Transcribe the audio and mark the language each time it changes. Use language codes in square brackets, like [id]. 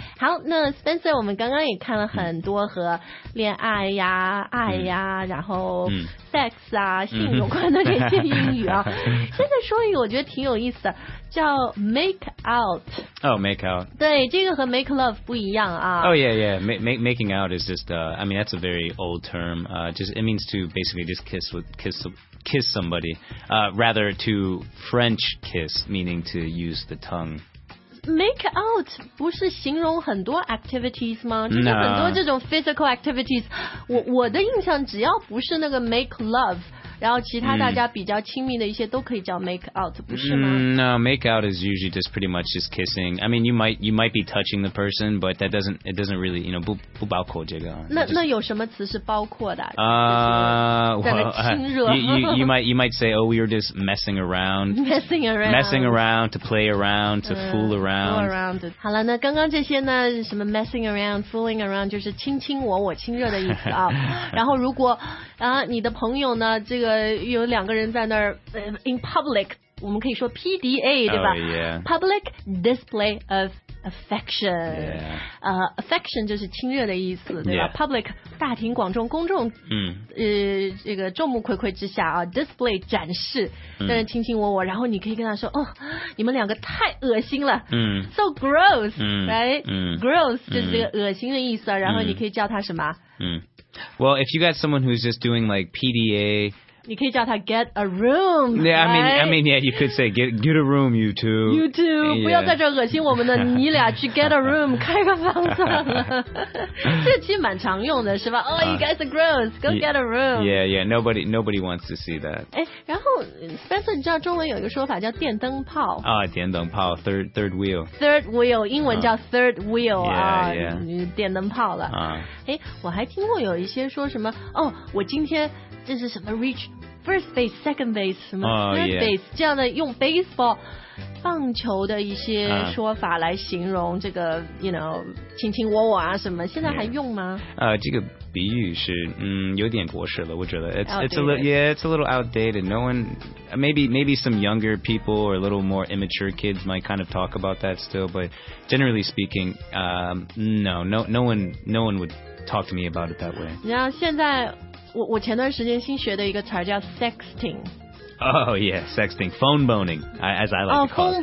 [zh] 好，那 Spencer， 我们刚刚也看了很多和恋爱呀、爱呀、然后 sex 啊、性有关的这些英语啊。现在说一个我觉得挺有意思的，叫 make out。 [en] Oh, make out。 [zh] 对，这个和 make love 不一样啊。 [en] Oh yeah, yeah. Making out is just, I mean, that's a very old term. Just it means to basically just kiss somebody. Rather to French kiss, meaning to use the tongue. [zh] Make out 不是形容很多 activities 吗？就是很多这种 [en] physical activities。 [zh] 我的印象，只要不是那个 make love， 然后其他大家比较亲密的一些都可以叫 make out， 不是吗 [en] ？No, make out is usually just pretty much just kissing. I mean, you might be touching the person, but that doesn't it doesn't really you know [zh] 不包括这个。那有什么词是包括的？就是、亲热。 [en] You might say, oh, we were just messing around. Messing around to play around to fool around. Around. [zh] 好了，那刚刚这些呢，什么 [en] messing around, fooling around, [zh] 就是亲亲我亲热的意思啊。然后如果你的朋友呢，这个有两个人在那儿 [en] in public, [zh] 我们可以说 PDA, 对吧、 [en] oh, yeah. Public display of affection.、 Yeah. [zh] Affection 就是亲热的意思，对吧、 [en] yeah. [zh] Public, 大庭广众公众、这个众目睽睽之下啊 ,display 展示。但是亲亲我然后你可以跟他说哦你们两个太恶心了 , [en] so gross, right? [zh] Gross 就是这个恶心的意思啊，然后你可以叫他什么 [en] Well, if you got someone who's just doing like PDA, [zh] 你可以叫他 [en] get a room, yeah, right? I mean, yeah, you could say get a room, you two. You two,、 yeah. [zh] 不要在这恶心我们的你俩去 [en] get a room, [zh] 开个房子。这其实蛮常用的是吧 [en] Oh, you guys are gross, go get a room. Yeah, yeah, nobody wants to see that. [zh] 哎，然后 Spencer, 你知道中文有一个说法叫电灯泡。电灯泡 [en] third wheel. [zh] Third wheel, 英文叫 [en] third wheel, [zh] 电灯泡了。哎，我还听过有一些说什么，我今天这是什么 [en] reach first base, second base, [zh] 什么 [en] third base,、 yeah. [zh] 这样的用 baseball, 棒球的一些说法来形容这个 [en] you know, [zh] 卿卿我啊什么现在还用吗、 [en] yeah. [zh] 这个比喻是有点过时了我觉得 [en] it's a little outdated, no one, maybe some younger people or a little more immature kids might kind of talk about that still, but generally speaking, no one would talk to me about it that way. [zh] 然后现在我前段时间新学的一个词叫 sexting。 [en] Oh yeah, sexting, phone boning, as I like to call it.